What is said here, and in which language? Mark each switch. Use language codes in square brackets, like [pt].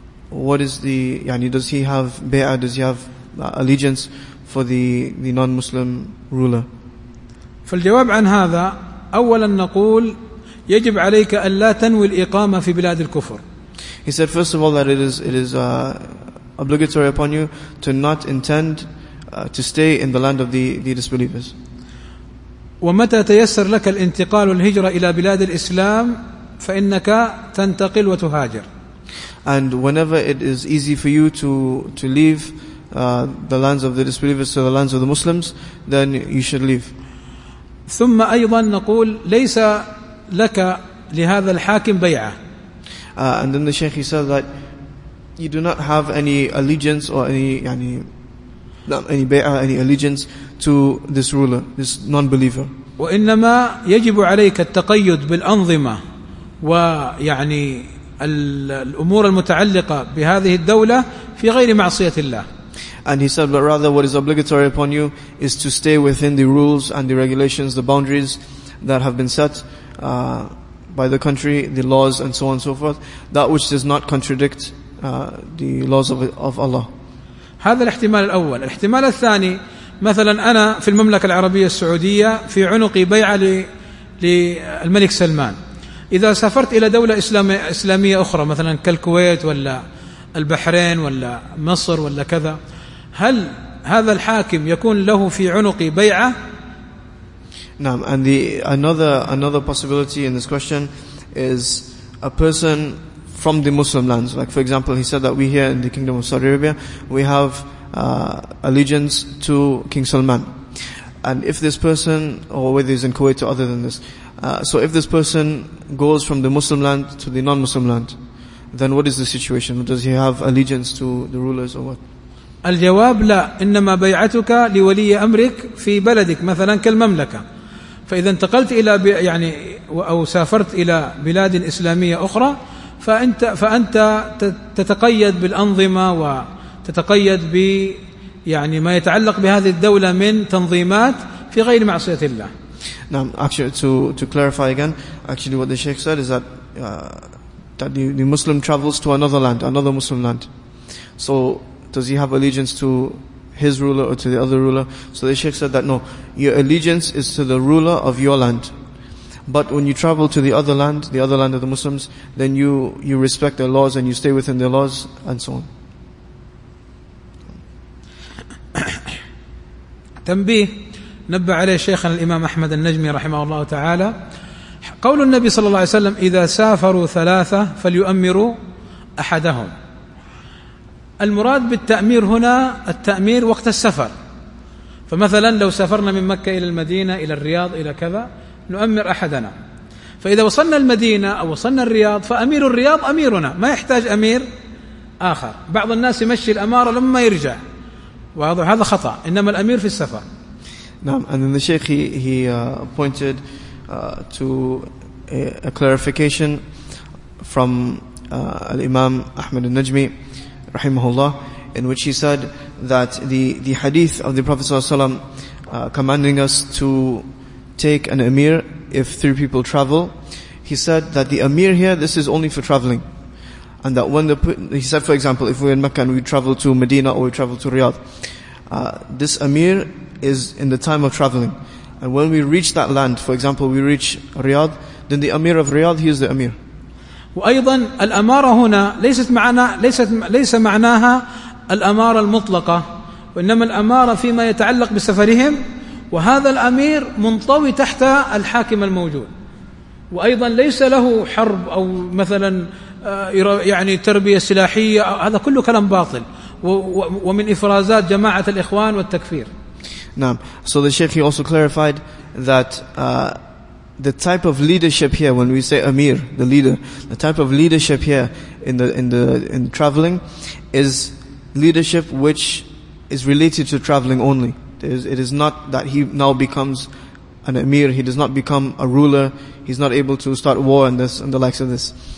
[en] What is the yani? Does he have bay'ah? Does he have allegiance for the non-Muslim ruler? [ar] فالجواب عن هذا أولا نقول يجب عليك أن لا تنوي الإقامة في بلاد الكفر. [en] He said first of all that it is obligatory upon you to not intend to stay in the land of the disbelievers. [ar] ومتى تيسر لك الانتقال والهجرة إلى بلاد الإسلام فإنك تنتقل وتهاجر. [en] And whenever it is easy for you to leave the lands of the disbelievers to the lands of the Muslims, then you should leave. [ar] ثم أيضا نقول ليس لك لهذا الحاكم بيعة. [en] And then the Sheikh, he said that you do not have any allegiance or any [ar] يعني [en] any bay'ah, any allegiance to this ruler, this non-believer. [ar] وإنما يجب عليك التقيد بالأنظمة ويعني الأمور المتعلقة بهذه الدولة في غير معصية الله. [en] And he said, but rather what is obligatory upon you is to stay within the rules and the regulations, the boundaries that have been set by the country, the laws and so on and so forth, that which does not contradict the laws of Allah. [ar] هذا الاحتمال الأول. الاحتمال الثاني مثلا أنا في المملكة العربية السعودية في عنقي بيعة للملك سلمان، إذا سافرت إلى دولة إسلامية أخرى مثلا كالكويت ولا البحرين ولا مصر ولا كذا، هل هذا الحاكم يكون له في عنقي بيعة؟ نعم. [en] And another possibility in this question is a person from the Muslim lands. Like for example, he said that we here in the Kingdom of Saudi Arabia, we have allegiance to King Salman. And if this person, or whether he's in Kuwait or other than this, so if this person goes from the Muslim land to the non-Muslim land, then what is the situation? Does he have allegiance to the rulers or what? [ar] الجواب لا، إنما بيعتك لولي أمرك في بلدك مثلا كالمملكة. فإذا انتقلت إلى يعني أو سافرت إلى بلاد إسلامية أخرى فأنت تتقيد بالأنظمة وتتقيد ب يعني ما يتعلق بهذه الدولة من تنظيمات في غير معصية الله. [en] Now, actually, to clarify again, actually, what the Sheikh said is that the Muslim travels to another land, another Muslim land. So, does he have allegiance to his ruler or to the other ruler? So the Sheikh said that no, your allegiance is to the ruler of your land. But when you travel to the other land of the Muslims, then you respect their laws and you stay within their laws and so on. [ar] تنبيه نبى عليه شيخنا الإمام أحمد النجمي رحمه الله تعالى قول النبي صلى الله عليه وسلم إذا سافروا ثلاثة فليؤمروا أحدهم. المراد بالتأمير هنا التأمير وقت السفر، فمثلا لو سافرنا من مكة إلى المدينة إلى الرياض إلى كذا نؤمر أحدنا، فإذا وصلنا المدينة أو وصلنا الرياض فأمير الرياض أميرنا، ما يحتاج أمير آخر. بعض الناس يمشي الأمارة لما يرجع، وهذا هذا خطأ، إنما الأمير في السفر. نعم. [en] And then the Sheikh he pointed to a clarification from Imam Ahmad al-Najmi rahimahullah, in which he said that the hadith of the Prophet sallallahu alaihi wasallam commanding us to take an Amir if three people travel, he said that the Amir here, this is only for traveling. And that when he said, for example, if we're in Mecca and we travel to Medina or we travel to Riyadh, this Amir is in the time of traveling. And when we reach that land, for example, we reach Riyadh, then the Amir of Riyadh, he is the Amir. [ar] وأيضا الأمارة هنا ليست معنا ليس معناها الأمارة المطلقة، وإنما الأمارة فيما يتعلق بسفرهم، وهذا الأمير منطوي تحت الحاكم الموجود. وأيضا ليس له حرب أو مثلا يعني تربية سلاحية، هذا كله كلام باطل ومن إفرازات جماعة الإخوان والتكفير. نعم. [en] So the Sheikh, he also clarified that the type of leadership here, when we say Amir, the leader, the type of leadership here in traveling is leadership which is related to traveling only. It is not that he now becomes an Amir, he does not become a ruler, he's not able to start war and this and the likes of this.